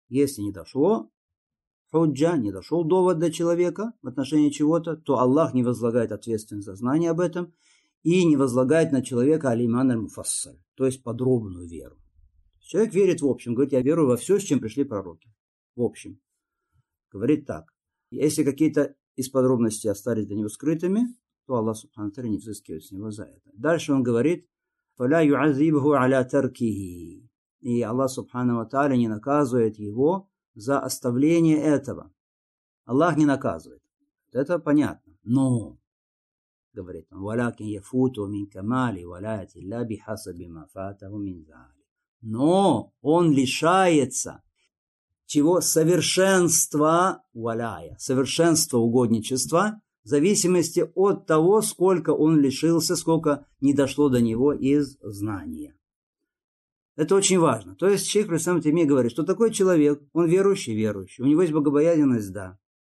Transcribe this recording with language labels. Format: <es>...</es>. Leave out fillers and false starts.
<ru>Если не дошло худжа, не дошел довод до человека в отношении чего-то, то Аллах не возлагает ответственность за знание об этом и не возлагает на человека алиман аль-муфассал, то есть подробную веру. Человек верит в общем, говорит, я верую во все, с чем пришли пророки. В общем, говорит так. Если какие-то из подробностей остались для него скрытыми, то Аллах Субхану ва Тааля не взыскивает с него за это. Дальше он говорит,</ru> <ar>فَلَا يُعَذِّبْهُ عَلَى تَرْكِهِ.</ar> <ru>И Аллах Субхану ва Тааля не наказывает его за оставление этого. Аллах не наказывает. Это понятно. Но, говорит он,</ru> <ar>وَلَكِنْ يَفُوتُ مِنْ كَمَالِ وَلَيَتِ اللَّهِ بِحَسَبِ مَا فَاتَهُ مِنْ ذَلِ.</ar> <ru>Но он лишается чего? Совершенства валяя, совершенства угодничества, в зависимости от того, сколько он лишился, сколько не дошло до него из знания. Это очень важно. То есть шейх Ислам Таймия говорит, что такой человек, он верующий, верующий, у него есть богобоязненность, да.</ru>